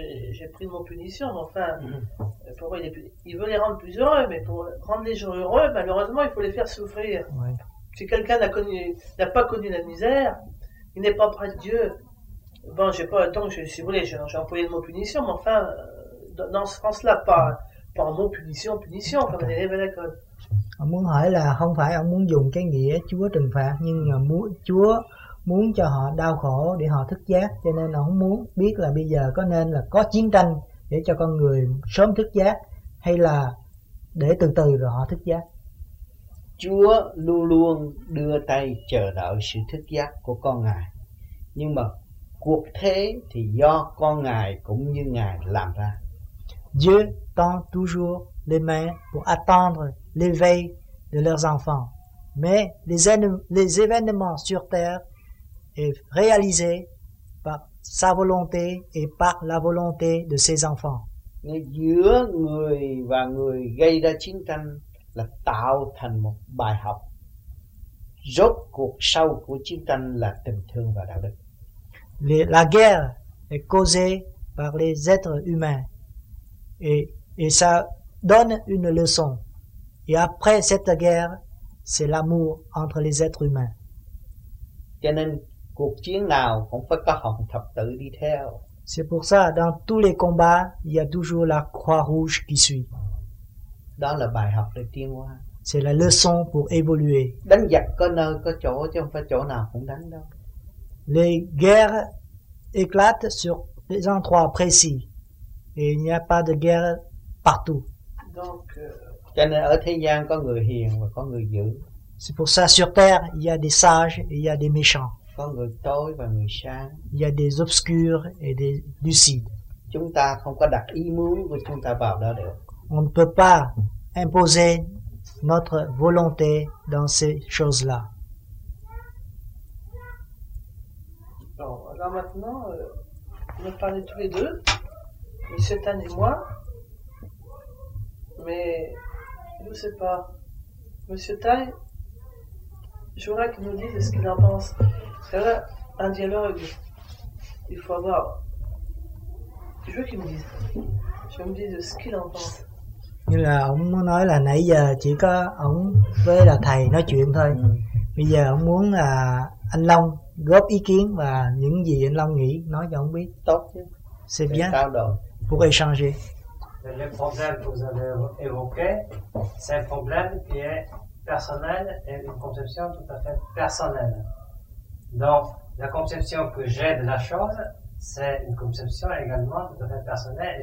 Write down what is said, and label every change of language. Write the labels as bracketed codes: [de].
[fr] J'ai pris mon punition, mais enfin, pour eux, il veut les rendre plus heureux, mais pour rendre les gens heureux, malheureusement, il faut les faire souffrir. Ouais. Si quelqu'un n'a pas connu la misère, il n'est pas près de Dieu. Bon, j'ai pas le temps, si vous voulez, j'ai employé mon punition, mais enfin, dans ce sens-là, pas mon punition, okay. Comme l'élève à l'école. [vi] Ông muốn hỏi là không phải ông muốn dùng cái nghĩa Chúa trừng phạt, nhưng mà Chúa muốn cho họ đau khổ để họ thức giác, cho nên ông muốn biết là bây giờ có nên là có chiến tranh để cho con người sớm thức giác, hay là để từ từ rồi họ thức giác. Chúa luôn luôn đưa tay chờ đợi sự thức giác của con Ngài, nhưng mà cuộc thế thì do con Ngài cũng như Ngài làm ra. [fr] Dieu tend toujours les mains pour attendre l'éveil de leurs enfants. Mais les événements sur terre sont réalisés par sa volonté et par la volonté de ses enfants. [vi] Mais giữa người và người gây ra chiến tranh là tạo thành một bài học. Rốt cuộc sâu của chiến tranh là tình thương và đạo đức. [fr] La guerre est causée par les êtres humains et ça donne une leçon. Et après cette guerre, c'est l'amour entre les êtres humains. [vi] Cho nên, cuộc chiến nào cũng phải có hồng thập tự đi theo. [fr] C'est pour ça, dans tous les combats, il y a toujours la croix rouge qui suit. [vi] Đó là bài học để tiến hóa. [fr] C'est la leçon pour évoluer. [vi] Đánh giặc có nơi có chỗ chứ không phải chỗ nào cũng đánh đâu. [fr] Les guerres éclatent sur des endroits précis et il n'y a pas de guerre partout. [vi] Donc, cho nên ở thế gian có người hiền và có người dữ. [fr] C'est pour ça sur terre il y a des sages et il y a des méchants. [vi] Có người tối và người sáng. [fr] Il y a des obscurs et des lucides. [vi] Chúng ta không có đặt ý muốn của chúng ta vào đó được. [fr] On ne peut pas imposer notre volonté dans ces choses-là. Alors maintenant, on a parlé tous les deux, et cette année moi, mais je ne sais pas, Monsieur Tai, j'aimerais qu'il nous dise ce qu'il en pense. C'est là un dialogue, il faut avoir, je veux qu'il me dise, je veux me dire ce qu'il en pense. [vi] Như là ông nói là nãy giờ chỉ có ông với là thầy nói chuyện thôi. Bây giờ ông muốn là anh Long góp ý kiến và những gì anh Long nghĩ nói cho ông biết. Tốt chứ. [fr] C'est bien. [vi] Trao đổi. [fr] Pour échanger. Le problème que vous avez évoqué, c'est un problème qui est personnel et une conception tout à fait personnelle. Donc, la conception que j'ai de la chose, c'est une conception également tout à fait personnelle.